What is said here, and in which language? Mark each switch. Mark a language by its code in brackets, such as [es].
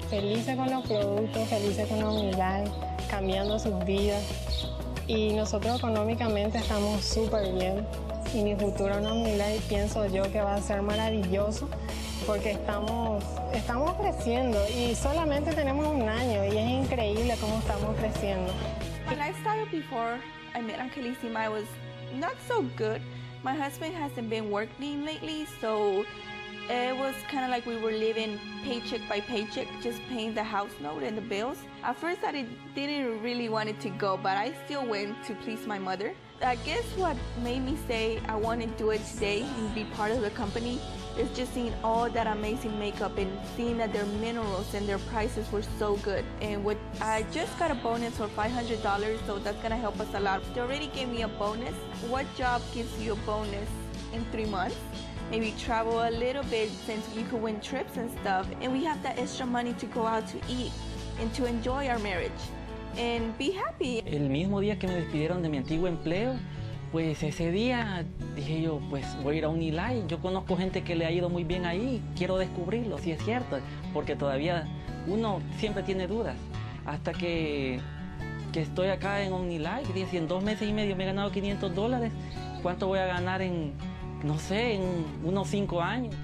[es] Felices con los productos, felices con OmniLife, cambiando sus vidas. Y nosotros económicamente estamos súper bien. Y mi futuro en OmniLife pienso yo que va a ser maravilloso porque estamos creciendo y solamente tenemos un año y es increíble cómo estamos creciendo. [en] When I started before I met Angelissima, I was not so good. My husband hasn't been working lately, so it was kind of like we were living paycheck by paycheck, just paying the house note and the bills. At first I didn't really want it to go, but I still went to please my mother. I guess what made me say I want to do it today and be part of the company is just seeing all that amazing makeup and seeing that their minerals and their prices were so good. And what I just got a bonus for $500, so that's gonna help us a lot. They already gave me a bonus. What job gives you a bonus in 3 months? Maybe travel a little bit since we could win trips and stuff. And we have that extra money to go out to eat and to enjoy our marriage. And be happy. [es] El mismo día que me despidieron de mi antiguo empleo, pues ese día dije yo, pues voy a ir a OmniLife. Yo conozco gente que le ha ido muy bien ahí, quiero descubrirlo, si es cierto, porque todavía uno siempre tiene dudas. Hasta que estoy acá en OmniLife, dije, si en 2 meses y medio me he ganado $500, ¿cuánto voy a ganar en, no sé, en unos 5 años?